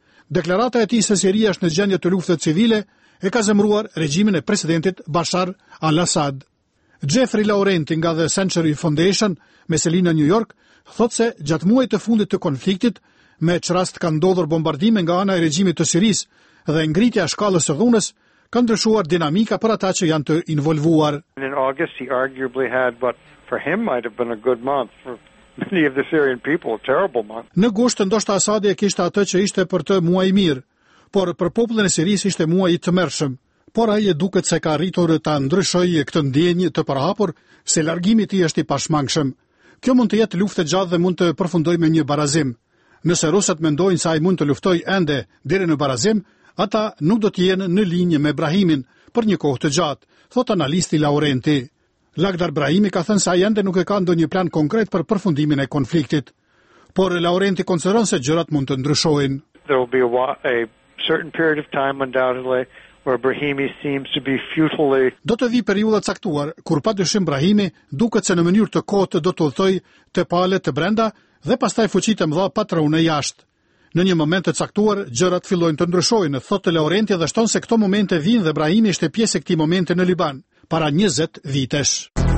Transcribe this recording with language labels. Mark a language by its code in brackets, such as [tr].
[sq] Deklarata e tij se Siria është në gjendje të luftës civile e ka zemruar regjimin e presidentit Bashar al-Assad. Jeffrey Laurenti nga The Century Foundation, me selinë në New York, thot se gjatë muajit të fundit të konfliktit, me çrast kanë ndodhur bombardime nga ana e regjimit të Siris dhe ngritja shkallës së dhunës, kanë ndryshuar dinamika për ata që janë të involvuar. [en] In August he arguably had what for him might have been a good month for many of the Syrian people, a terrible month. [sq] Në gusht ndoshta Asadi e kishte atë që ishte për të muaj i mirë, por për popullin e Siris ishte muaj i tmerrshëm. Por ai e duket se ka arritur ta ndryshojë këtë ndjenjë të përhapur se largimi i tij është i pashmangshëm. Kjo mund të jetë luftë e gjatë dhe mund të përfundojë me një barazim. Nëse rusët mendojnë se ai mund të luftojë ende deri në barazim, ata nuk do të jenë në linjë me Brahimin për një kohë të gjatë, thot analisti Laurenti. Lagdar Brahimi ka thënë se ai ende nuk e ka ndonjë plan konkret për përfundimin e konfliktit. Por Laurenti konsideron se gjërat mund të ndryshojnë. [en] There will be a certain period of time undoubtedly where Brahimi seems to be futilely. [sq] Do të vi periudha caktuar kur padyshim Brahimi duket se në mënyrë të kotë do të udhëtojë te palët të brenda dhe pastaj fuqitë e mëdha patrone jashtë. Në një moment të caktuar gjërat fillojnë të ndryshojnë, thotë Laurenti dhe shton se këto momente vijnë dhe Brahimi ishte pjesë e këtij momenti në Liban para 20 vitesh.